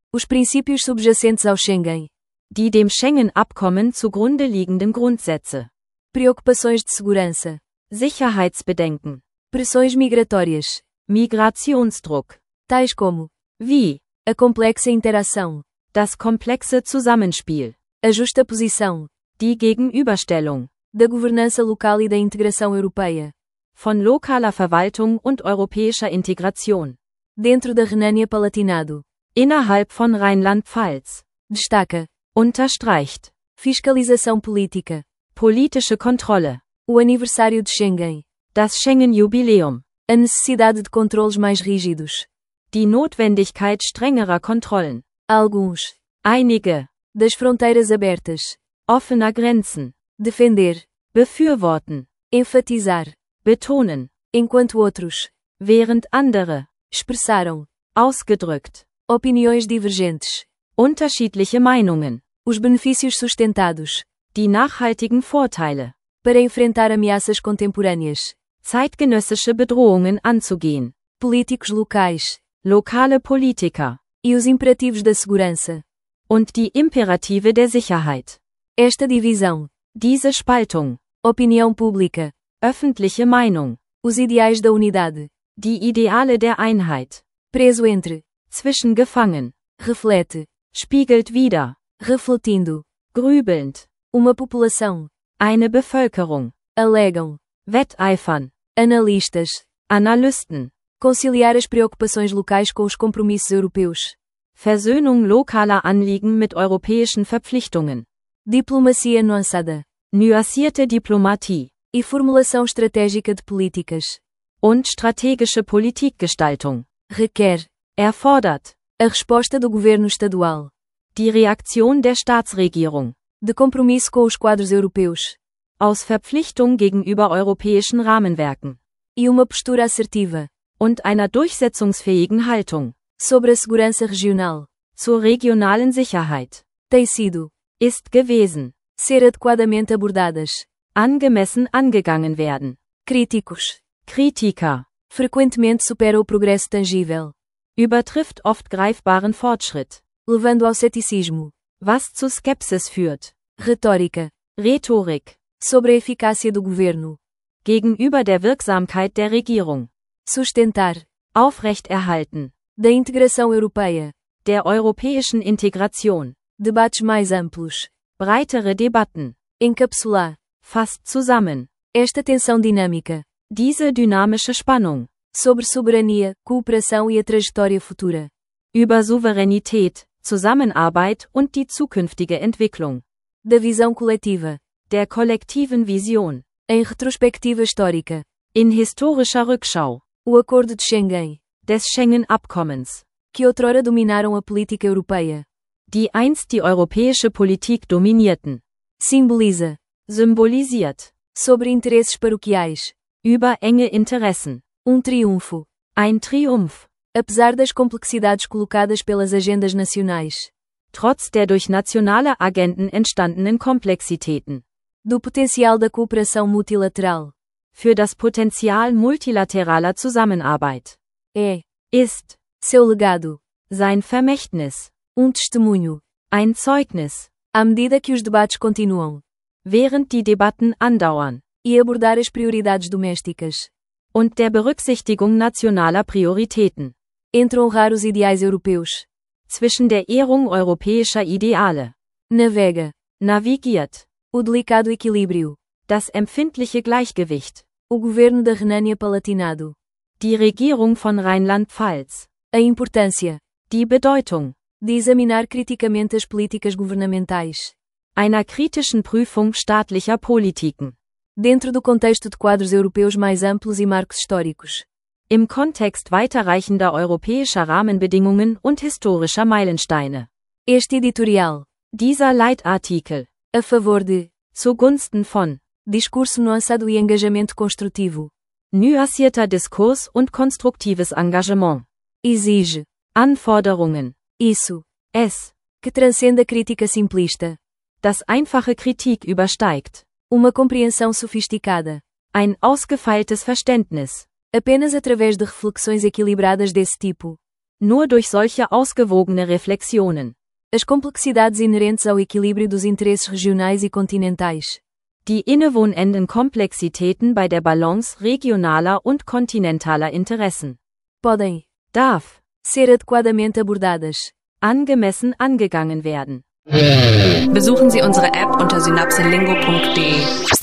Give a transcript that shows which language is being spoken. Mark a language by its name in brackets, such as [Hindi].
[Portuguese] os princípios subjacentes ao Schengen, [German] die dem Schengen-Abkommen zugrunde liegenden Grundsätze, [Portuguese] preocupações de segurança, [German] Sicherheitsbedenken, [Portuguese] pressões migratórias, [German] Migrationsdruck, [Portuguese] tais como, [German] wie, [Portuguese] a complexa interação, [German] das komplexe Zusammenspiel, [Portuguese] a justa posição, [German] die Gegenüberstellung, [Portuguese] da governança local e da integração europeia, [German] von lokaler Verwaltung und europäischer Integration. [Portuguese] Dentro da Renânia-Palatinado. [German] Innerhalb von Rheinland-Pfalz. [Portuguese] Destaca. [German] Unterstreicht. [Portuguese] Fiscalização política. [German] Politische Kontrolle. [Portuguese] O aniversário de Schengen. [German] Das Schengen-Jubiläum. [Portuguese] A necessidade de controles mais rígidos. [German] Die Notwendigkeit strengerer Kontrollen. [Portuguese] Alguns. [German] Einige. [Portuguese] Das fronteiras abertas. [German] Offener Grenzen. [Portuguese] Defender. [German] Befürworten. [Portuguese] Enfatizar. [German] Betonen. [Portuguese] Enquanto outros. [German] Während andere. [Portuguese] Expressaram. [German] Ausgedrückt. [Portuguese] Opiniões divergentes. [German] Unterschiedliche Meinungen. [Portuguese] Os benefícios sustentados. [German] Die nachhaltigen Vorteile. [Portuguese] Para enfrentar ameaças contemporâneas. [German] Zeitgenössische Bedrohungen anzugehen. [Portuguese] Políticos locais. [German] Lokale Politiker. [Portuguese] E os imperativos da segurança. [German] Und die Imperative der Sicherheit. [Portuguese] Esta divisão. [German] Diese Spaltung. [Portuguese] Opinião pública. [German] Öffentliche Meinung. [Portuguese] Os ideais da unidade. [German] Die Ideale der Einheit. [Portuguese] Preso entre. [German] Zwischen gefangen. [Portuguese] Reflete. [German] Spiegelt wieder. [Portuguese] Refletindo. [German] Grübelnd. [Portuguese] Uma população. [German] Eine Bevölkerung. [Portuguese] Alegam. [German] Wetteifern. [Portuguese] Analistas. [German] Analysten. [Portuguese] Conciliar as preocupações locais com os compromissos europeus. [German] Versöhnung lokaler Anliegen mit europäischen Verpflichtungen. [Portuguese] Diplomacia nuançada. [German] Nuancierte Diplomatie. [Portuguese] E formulação estratégica de políticas. [German] Und strategische Politikgestaltung. [Portuguese] Requer. [German] Erfordert. [Portuguese] A resposta do governo estadual. [German] Die Reaktion der Staatsregierung. [Portuguese] De compromisso com os quadros europeus. [German] Aus Verpflichtung gegenüber europäischen Rahmenwerken. [Portuguese] E uma postura assertiva. [German] Und einer durchsetzungsfähigen Haltung. [Portuguese] Sobre a segurança regional. [German] Zur regionalen Sicherheit. [Portuguese] Tem sido. [German] Ist gewesen. [Portuguese] Ser adequadamente abordadas. [German] Angemessen angegangen werden. [Portuguese] Críticos. [German] Kritiker. [Portuguese] Frequentemente supera o progresso tangível. [German] Übertrifft oft greifbaren Fortschritt. [Portuguese] Levando ao ceticismo. [German] Was zu Skepsis führt. [Portuguese] Retórica. [German] Rhetorik. [Portuguese] Sobre a eficácia do governo. [German] Gegenüber der Wirksamkeit der Regierung. [Portuguese] Sustentar. [German] Aufrechterhalten. [Portuguese] Da integração europeia. [German] Der europäischen Integration. [Portuguese] Debates mais amplos. [German] Breitere Debatten. [Portuguese] Encapsular. [German] Fast zusammen. [Portuguese] Esta tensão dinâmica. [German] Diese dynamische Spannung. [Portuguese] Sobre soberania, cooperação e a trajetória futura. [German] Über Souveränität, Zusammenarbeit und die zukünftige Entwicklung. [Portuguese] Da visão coletiva. [German] Der kollektiven Vision. [Portuguese] Em retrospectiva histórica. [German] In historischer Rückschau. [Portuguese] O acordo de Schengen. [German] Des Schengen-Abkommens. [Portuguese] Que outrora dominaram a política europeia. [German] Die einst die europäische Politik dominierten. [Portuguese] Simboliza. [German] Symbolisiert. [Portuguese] Sobre interesses paroquiais. [German] Über enge Interessen. [Portuguese] Um triunfo. [German] Ein Triumph. [Portuguese] Apesar das complexidades colocadas pelas agendas nacionais. [German] Trotz der durch nationale Agenten entstandenen Komplexitäten. [Portuguese] Do potencial da cooperação multilateral. [German] Für das Potenzial multilateraler Zusammenarbeit. [Portuguese] É. [German] Ist. [Portuguese] Seu legado. [German] Sein Vermächtnis. [Portuguese] Um testemunho. [German] Ein Zeugnis. [Portuguese] À medida que os debates continuam. [German] Während die Debatten andauern. [Portuguese] E abordar as prioridades domésticas. [German] Und der Berücksichtigung nationaler Prioritäten. [Portuguese] Entre honrar os ideais europeus. [German] Zwischen der Ehrung europäischer Ideale. [Portuguese] Navega. [German] Navigiert. [Portuguese] O delicado equilíbrio. [German] Das empfindliche Gleichgewicht. [Portuguese] O governo da Renânia-Palatinado. [German] Die Regierung von Rheinland-Pfalz. [Portuguese] A importância. [German] Die Bedeutung. [Portuguese] De examinar criticamente as políticas governamentais. [German] Einer kritischen Prüfung staatlicher Politiken. [Portuguese] Dentro do contexto de quadros europeus mais amplos e marcos históricos. [German] Im Kontext weiterreichender europäischer Rahmenbedingungen und historischer Meilensteine. [Portuguese] Este editorial. [German] Dieser Leitartikel. [Portuguese] A favor de. [German] Zugunsten von. [Portuguese] Discurso nuançado e engajamento construtivo. [German] Nuancierter Diskurs und konstruktives Engagement. [Portuguese] Exige. [German] Anforderungen. [Portuguese] Isso. [German] Es. [Portuguese] Que transcende a crítica simplista. [German] Das einfache Kritik übersteigt. [Portuguese] Uma compreensão sofisticada. [German] Ein ausgefeiltes Verständnis. [Portuguese] Apenas através de reflexões equilibradas desse tipo. [German] Nur durch solche ausgewogene Reflexionen. [Portuguese] As complexidades inerentes ao equilíbrio dos interesses regionais e continentais. [German] Die innewohnenden Komplexitäten bei der Balance regionaler und kontinentaler Interessen. [Portuguese] Podem. [German] Darf. [Portuguese] Ser adequadamente abordadas. [German] Angemessen angegangen werden. Besuchen Sie unsere App unter synapsenlingo.de.